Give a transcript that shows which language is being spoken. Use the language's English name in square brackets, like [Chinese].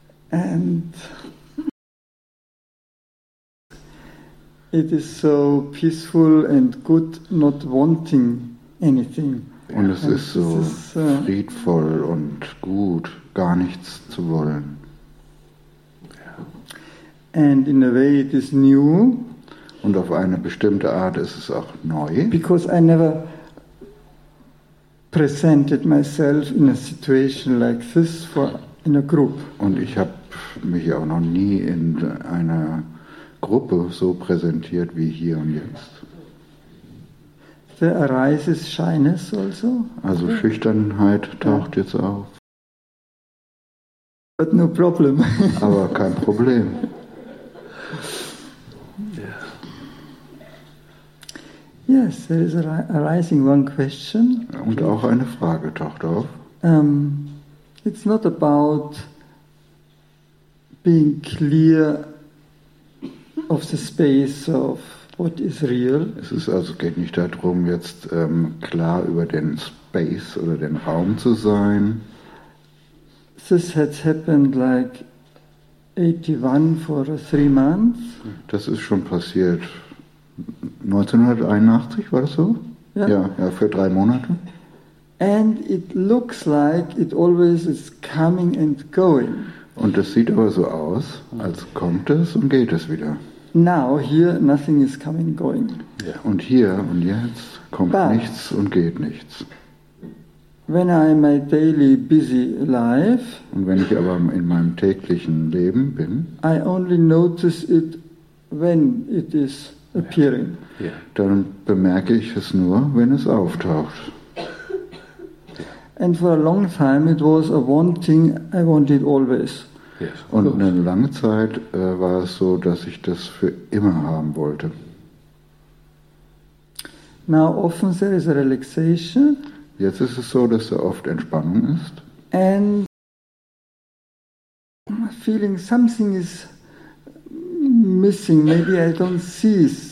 [English] And it is so peaceful and good, not wanting anything. [German] Und es ist so friedvoll und gut, gar nichts zu wollen. [English] And in a way it is new. [German] Und auf eine bestimmte Art ist es auch neu. [English] Because I never presented myself in a situation like this for in a group. [German] Und ich habe mich auch noch nie in einer Gruppe so präsentiert wie hier und jetzt. [English] There arises shyness also. [German] Also Schüchternheit taucht yeah. jetzt auf. [English] But no problem. [German] Aber kein Problem. [English] Yeah. Yes, there is arising one question. [German] Und auch eine Frage taucht auf. [English] It's not about being clear of the space of what is real. [German] Es ist also geht nicht darum, jetzt klar über den Space oder den Raum zu sein. [English] This has happened like 81 for 3 months. [German] Das ist schon passiert. 1981 war das so? [English] Yeah. [German] Ja, für 3 Monate. [English] And it looks like it always is coming and going. [German] Und es sieht aber so aus, als kommt es und geht es wieder. [English] Now, here, nothing is coming and going. [German] Yeah. Und hier und jetzt kommt [English] But [German] nichts und geht nichts. [English] When I'm in my daily busy life, [German] und wenn ich aber in meinem täglichen Leben bin, [English] I only notice it when it is appearing. Yeah. Yeah. [German] Dann bemerke ich es nur, wenn es auftaucht. And for a long time it was a wanting, I wanted always. Yes, und eine lange Zeit war es so, dass ich das für immer haben wollte. [English] Now often there is a relaxation. [German] Jetzt ist es so, dass da oft Entspannung ist. [English] And feeling something is missing, maybe I don't see.